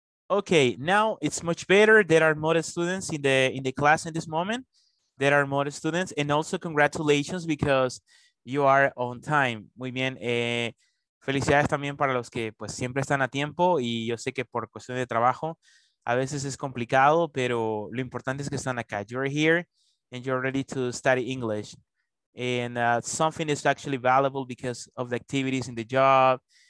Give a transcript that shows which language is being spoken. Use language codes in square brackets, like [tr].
[en] Okay, now it's much better. There are more students in the class in this moment. There are more students, and also congratulations because you are on time. [es] Muy bien. Felicidades también para los que pues siempre están a tiempo, y yo sé que por cuestión de trabajo a veces es complicado, pero lo importante es que están acá. [en] You're here and you're ready to study English. And something is actually valuable because of the activities in the job.